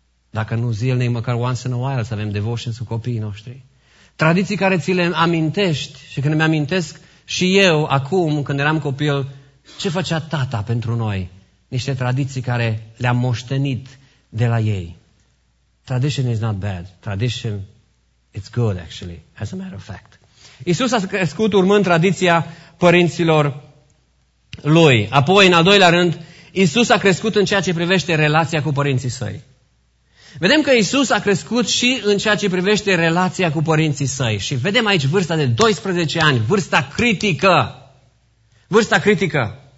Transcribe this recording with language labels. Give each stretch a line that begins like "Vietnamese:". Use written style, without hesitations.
Romanian: Dacă nu zilnic, măcar
English: once in a while,
Romanian: să avem devotions cu copiii noștri. Tradiții care ți le amintești și când îmi amintesc și eu, acum, când eram copil, ce făcea tata pentru noi? Niște tradiții care le-am moștenit de la ei.
English: Tradition is not bad. Tradition, it's good, actually, as a matter of fact.
Romanian: Iisus a crescut urmând tradiția părinților lui. Apoi, în al doilea rând, Iisus a crescut în ceea ce privește relația cu părinții săi. Vedem că Iisus a crescut și în ceea ce privește relația cu părinții săi. Și vedem aici vârsta de 12 ani, vârsta critică. Vârsta critică.